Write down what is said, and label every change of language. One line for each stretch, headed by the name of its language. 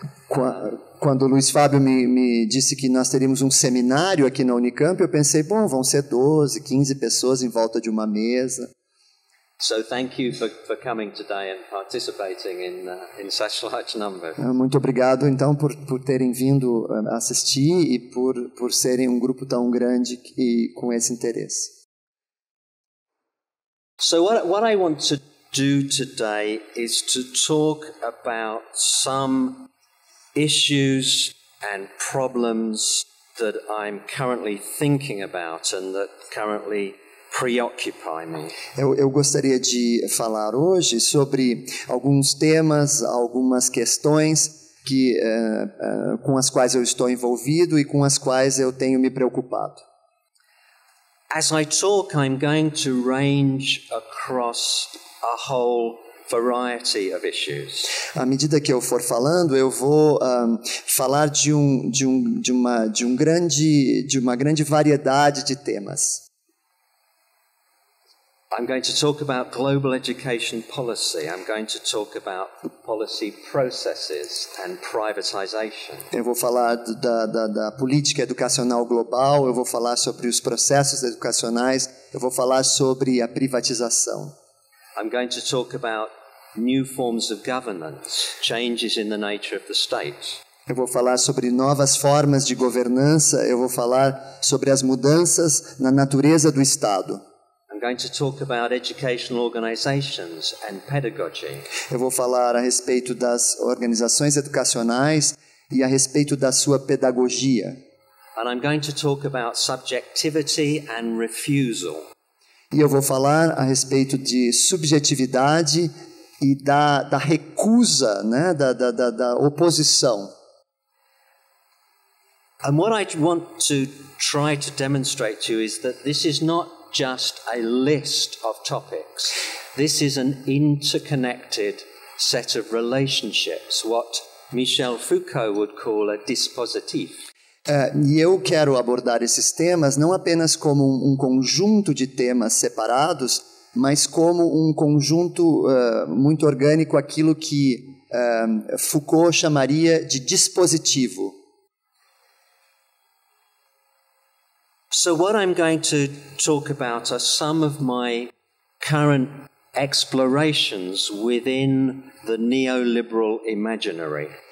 Portuguese: Quando o Luiz Fábio me disse que nós teríamos um seminário aqui na Unicamp, eu pensei, bom, vão ser 12, 15 pessoas em volta de uma mesa.
English: So thank you for coming today and participating in such large numbers.
Portuguese: Muito obrigado então por terem vindo assistir e por serem um grupo tão grande e com esse interesse.
English: So what I want to do today is to talk about some issues and problems that I'm currently thinking about and that currently preoccupy me.
Portuguese: Eu gostaria de falar hoje sobre alguns temas, algumas questões que com as quais eu estou envolvido e com as quais eu tenho me preocupado.
English: As I talk, I'm going to range across a whole variety of issues.
Portuguese: À medida que eu for falando, eu vou falar de uma grande variedade de temas.
English: I'm going to talk about global education policy. I'm going to talk about policy processes and privatization.
Portuguese: Eu vou falar da política educacional global, eu vou falar sobre os processos educacionais, eu vou falar sobre a privatização.
English: I'm going to talk about new forms of governance, changes in the nature of the state.
Portuguese: Eu vou falar sobre novas formas de governança, eu vou falar sobre as mudanças na natureza do Estado.
English: I'm going to talk about educational organizations and pedagogy.
Portuguese: Eu vou falar a respeito das organizações educacionais e a respeito da sua pedagogia.
English: And I'm going to talk about subjectivity and refusal.
Portuguese: E eu vou falar a respeito de subjetividade e da recusa, né, da oposição.
English: And what I want to try to demonstrate to you is that this is not just a list of topics. This is an interconnected set of relationships, what Michel Foucault would call a dispositif.
Portuguese: E eu quero abordar esses temas não apenas como um conjunto de temas separados, mas como um conjunto muito orgânico, aquilo que Foucault chamaria de dispositivo.
English: So what I'm going to talk about are some of my current explorations within the neoliberal imaginary.